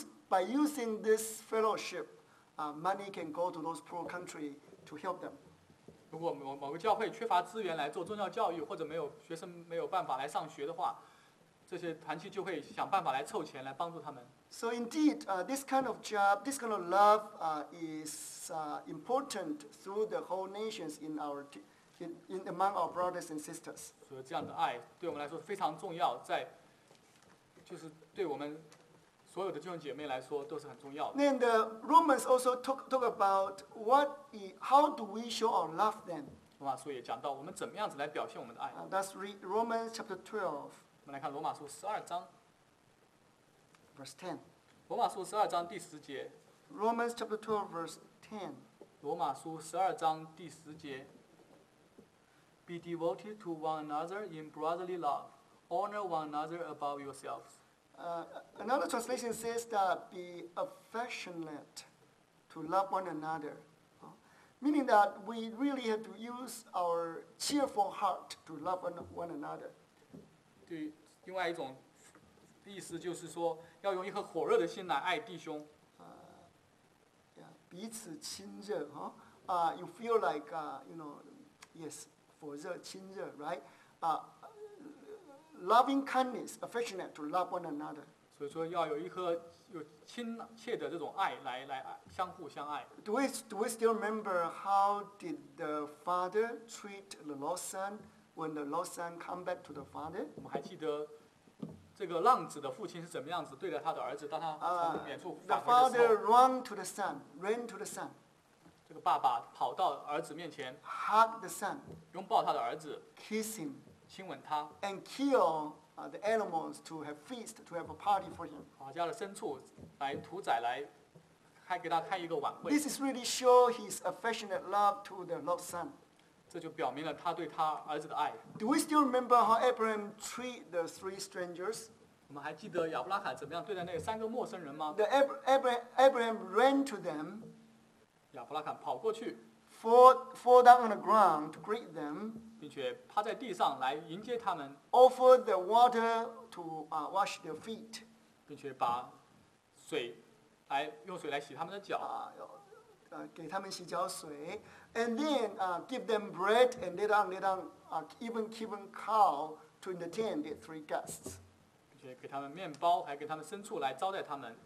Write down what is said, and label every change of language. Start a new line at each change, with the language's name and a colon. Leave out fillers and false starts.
English: By using this fellowship, money can go to those poor country to help them.
Chinese: 如果某个教会缺乏资源来做宗教教育，或者没有学生没有办法来上学的话，这些团契就会想办法来凑钱来帮助他们。
English: So indeed, this kind of job, this kind of love, is important through the whole nations in our. In among our brothers and sisters.
Chinese: So, 这样的爱对我们来说非常重要，在就是对我们所有的弟兄姐妹来说都是很重要的。
English: Then the Romans also talk about how do we show our love then?
Chinese: 罗马书也讲到我们怎么样子来表现我们的爱。
English: Let's read Romans chapter 12.
Chinese: 我们来看罗马书十二章
English: verse 10.
Chinese: 罗马书十二章第十节。
English: Romans chapter 12 verse 10.
Chinese: 罗马书十二章第十节。
English: Be devoted to one another in brotherly love. Honor one another above yourselves. Another translation says that be affectionate to love one another. Meaning that we really have to use our cheerful heart to love one another.
Chinese: 对，另外一种意思就是说，要用一颗火热的心来爱弟兄。彼此亲热，
English: you feel like, yes.
Chinese: 火热亲热 ，right？
English: Loving kindness, affectionate to love one another.
Chinese: 所以说要有一颗有亲切的这种爱来相互相爱。
English: Do we still remember how did the father treat the lost son when the lost son come back to the father？
Chinese: 我们还记得这个浪子的父亲是怎么样子对待他的儿子，当他从远处返回的时候。
English: The father ran to the son, ran to the son.
Chinese: 这个爸爸跑到儿子面前
English: ，hug the son，
Chinese: 拥抱他的儿子
English: ，kiss him，
Chinese: 亲吻他
English: ，and kill the animals to have feast to have a party for him，
Chinese: 把家的牲畜来屠宰来，开给他开一个晚会。
English: This is really show his affectionate love to the lost son，
Chinese: 这就表明了他对他儿子的爱。
English: Do we still remember how Abraham treat the three strangers？
Chinese: 我们还记得亚伯拉罕怎么样对待那三个陌生人吗
English: ？The Abraham ran to them。
Chinese: 亚伯拉罕跑过去
English: fall down on the ground to greet them，
Chinese: 并且趴在地上来迎接他们
English: ，offer the water to wash their feet，
Chinese: 并且把水来用水来洗他们的脚，给他们洗脚水
English: ，and then give them bread and lay down even keeping cow to entertain the three guests，
Chinese: 并且给他们面包，还给他们牲畜来招待他们。